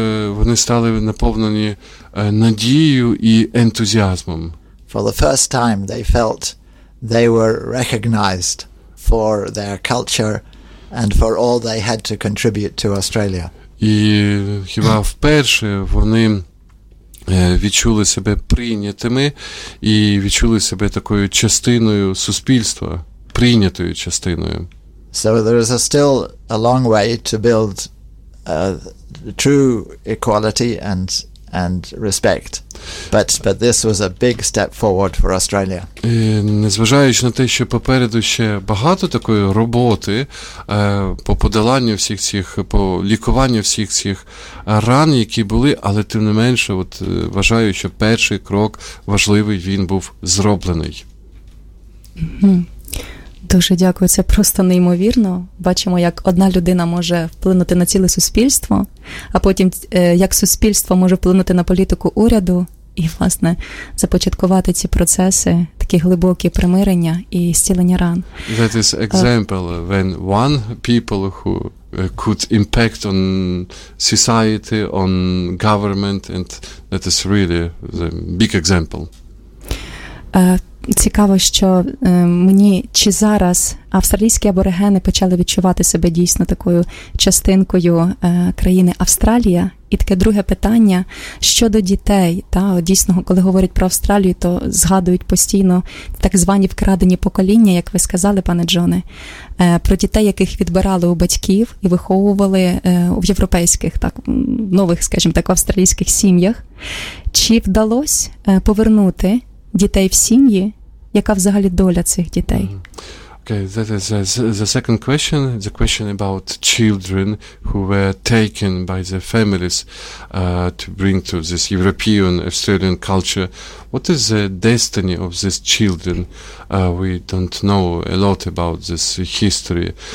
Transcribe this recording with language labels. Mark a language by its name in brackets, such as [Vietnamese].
[Ukrainian] Вони стали наповнені надією і ентузіазмом. [English] For the first time they felt they were recognized for their culture and for all they had to contribute to Australia. [Ukrainian] І хіба вперше вони відчули себе прийнятими і відчули себе такою частиною суспільства, прийнятою частиною. [English] So there is still a long way to build true equality and respect. But this was a big step forward for Australia. [Ukrainian] І, незважаючи на те, що попереду ще багато такої роботи по подоланню всіх цих, по лікуванню всіх цих ран, які були, але тим не менше, от вважаю, що перший крок важливий, він був зроблений. Mm-hmm. Дуже дякую, це просто неймовірно. Бачимо, як одна людина може вплинути на ціле суспільство, а потім як суспільство може вплинути на політику уряду і, власне, започаткувати ці процеси, такі глибокі примирення і зцілення ран. [English] That is example when one people who could impact on society, on government, and that is really the big example. [Ukrainian] Цікаво, що мені чи зараз австралійські аборигени почали відчувати себе дійсно такою частинкою країни Австралія? І таке друге питання щодо дітей. Та, дійсно, коли говорять про Австралію, то згадують постійно так звані вкрадені покоління, як ви сказали, пане Джоне, про дітей, яких відбирали у батьків і виховували в європейських, так, нових, скажімо так, австралійських сім'ях. Чи вдалося повернути дітей в сім'ї, яка взагалі доля цих дітей? [English] Okay, that is the second question, the question about children who were taken by the families to bring to this European, Australian culture. What is the destiny of these children? We don't know a lot about this history.